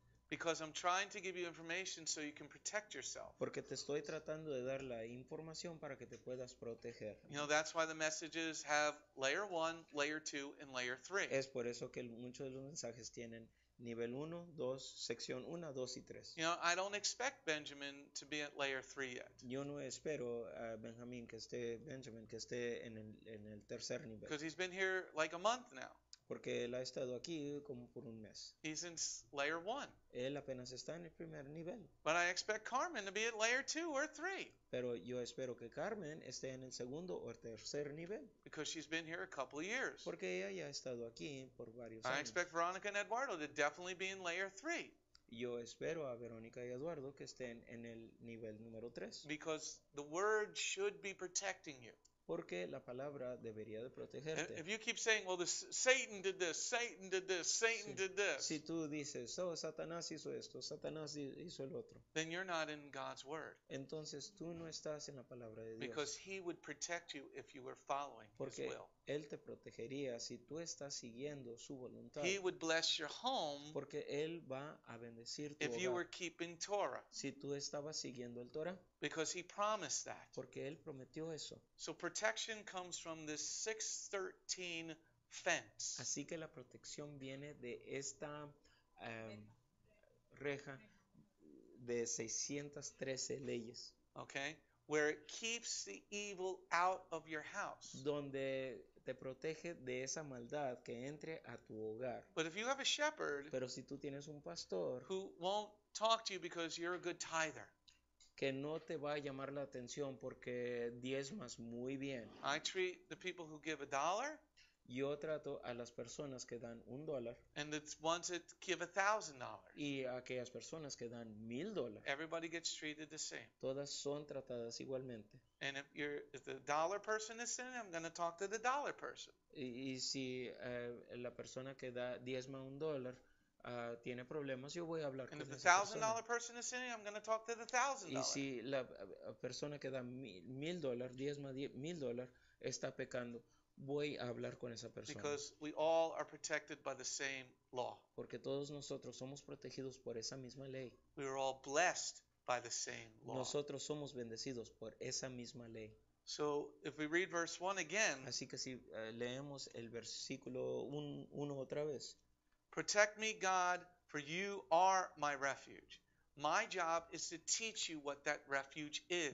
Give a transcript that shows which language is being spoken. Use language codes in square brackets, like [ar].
[en] Because I'm trying to give you information so you can protect yourself. [es] Porque te estoy tratando de dar la información para que te puedas proteger. [en] You know, that's why the messages have layer 1, layer 2, and layer 3. [es] Es por eso que muchos de los mensajes tienen nivel 1, 2, sección 1, 2 y 3. [en] You know, I don't expect Benjamin to be at layer 3 yet. [es] Yo no espero a Benjamin que esté en el tercer nivel. [en] Because he's been here like a month now. [es] Porque él ha estado aquí como por un mes. [en] He's in layer 1. [es] Él apenas está en el primer nivel. [en] But I expect Carmen to be at layer 2 or 3. [es] Pero yo espero que Carmen esté en el segundo o tercer nivel. [en] Because she's been here a couple of years. [es] Porque ella ya ha estado aquí por varios años. [en] expect Veronica and Eduardo to definitely be in layer 3. [es] Yo espero a Verónica y Eduardo que estén en el nivel número 3. [en] Because the word should be protecting you. [es] Porque la palabra debería de protegerte. [en] If you keep saying, well, Satan did this, Satan did this, Satan did this. [es] Si tú dices, oh, Satanás hizo esto, Satanás hizo el otro. [en] Then you're not in God's word. [es] Entonces tú no estás en la palabra de Dios. [en] Because he would protect you if you were following [es] porque [en] his will. [es] Porque él te protegería si tú estás siguiendo su voluntad. [en] He would bless your home. [es] Porque él va a bendecir tu [en] if [es] hogar. [en] You were keeping Torah. [es] Si tú estabas siguiendo el Torah. [en] Because he promised that. [es] Porque él prometió eso. [en] So protection comes from this 613 fence. [es] Así que la protección viene de esta reja de 613 leyes. [en] Okay, where it keeps the evil out of your house. [es] Donde te protege de esa maldad que entre a tu hogar. [en] But if you have a shepherd, [es] pero si tú tienes un pastor, [en] who won't talk to you because you're a good tither, [es] que no te va a llamar la atención porque diezmas muy bien. [en] I treat the people who give a dollar. [es] Yo trato a las personas que dan un dólar. [en] And it's ones that give $1,000. [es] Y a aquellas personas que dan $1,000. [en] Everybody gets treated the same. [es] Todas son tratadas igualmente. [en] And if the dollar person is sinning, I'm going to talk to the dollar person. [es] Y si la persona que da diezma un dólar tiene problemas, yo voy a hablar con esa persona. [en] And if the $1,000 person is sinning, I'm going to talk to the $1,000. [es] Y si la persona que da $1,000, diezma $1,000, está pecando, voy a hablar con esa persona. [en] Because we all are protected by the same law. [es] Porque todos nosotros somos protegidos por esa misma ley. [en] We are all blessed by the same law. [es] Nosotros somos bendecidos por esa misma ley. [en] So if we read verse 1 again. [es] Así que si leemos el versículo 1 otra vez. [en] Protect me, God, for you are my refuge. My job is to teach you what that refuge is.